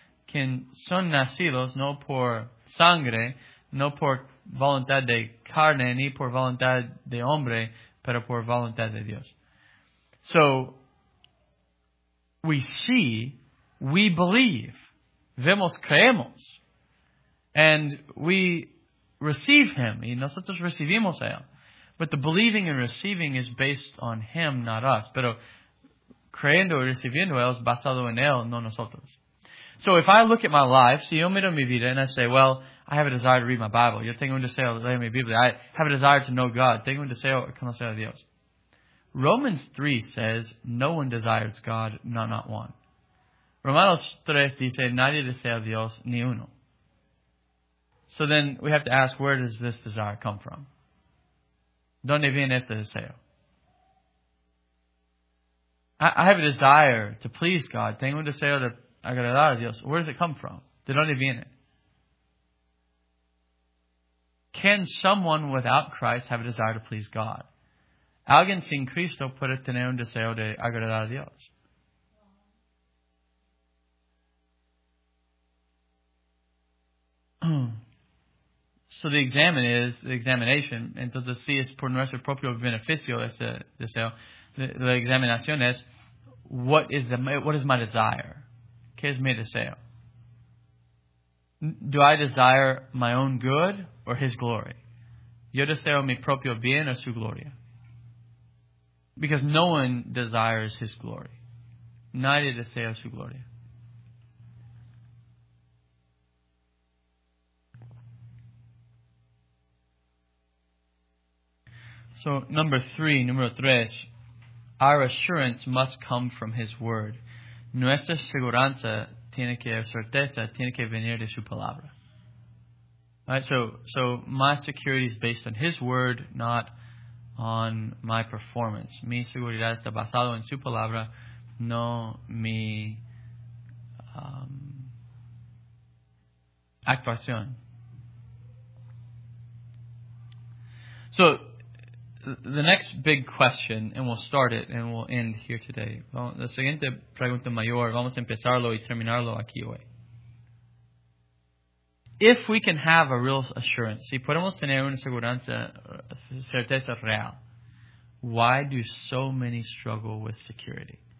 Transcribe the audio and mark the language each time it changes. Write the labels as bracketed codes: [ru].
[es] Quien son nacidos, no por sangre, no por voluntad de carne, ni por voluntad de hombre, pero por voluntad de Dios. [en] So, we see, we believe. [es] Vemos, creemos. [en] And we receive Him. [es] Y nosotros recibimos a Él. [en] But the believing and receiving is based on Him, not us. [es] Pero creyendo y recibiendo él es basado en él, no nosotros. [en] So if I look at my life, [es] si yo miro mi vida [en] and I say, well, I have a desire to read my Bible. [es] Yo tengo un deseo de leer mi Biblia. [en] I have a desire to know God. [es] Tengo un deseo de conocer a Dios. [en] Romans 3 says, no one desires God, not one. [es] Romanos 3 dice, nadie desea a Dios, ni uno. [en] So then we have to ask, where does this desire come from? [es] ¿Dónde viene este deseo? [en] I have a desire to please God. [es] Tengo un deseo de agradar a Dios. [en] Where does it come from? [es] ¿De dónde viene? [en] Can someone without Christ have a desire to please God? [es] ¿Alguien sin Cristo puede tener un deseo de agradar a Dios? [en] So, So the examen is the examination. [es] Entonces, si es por nuestro propio beneficio, ese deseo, la examinación es, [en] what is my desire? [es] ¿Qué es mi deseo? [en] Do I desire my own good or his glory? [es] Yo deseo mi propio bien o su gloria. [en] Because no one desires his glory. [es] Nadie desea su gloria. [en] So, number three, our assurance must come from his word. [es] Nuestra seguranza tiene que, certeza, tiene que venir de su palabra. [en] Right, so my security is based on his word, not on my performance. [es] Mi seguridad está basado en su palabra, no mi actuación. [en] So, the next big question, and we'll start it, and we'll end here today. [es] La siguiente pregunta mayor, vamos a empezarlo y terminarlo aquí hoy. [en] If we can have a real assurance, [es] si podemos tener una seguranza, certeza real, [en] why do so many struggle with security?